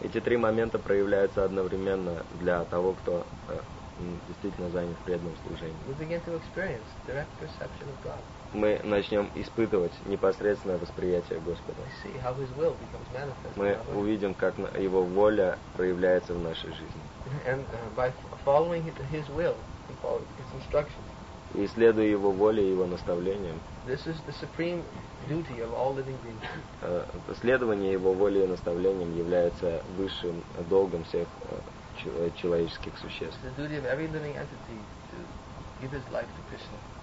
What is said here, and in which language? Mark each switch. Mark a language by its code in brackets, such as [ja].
[ru] Эти три момента проявляются одновременно для того, кто действительно занят преданным служением. [en] We begin to experience direct perception of God. [ru] Мы начнем испытывать непосредственное восприятие Господа. [en] We see how His will becomes manifest. [ru] Мы увидим, как Его воля проявляется в нашей жизни. [en] And by following His will, we follow His instructions. [ru] И следуя Его воле и Его наставлениям. [en] This is the supreme duty of all living beings. [ru] Следование Его воле и наставлениям является высшим долгом всех человеческих существ. [en] It's the duty of every living entity to give his life to Krishna.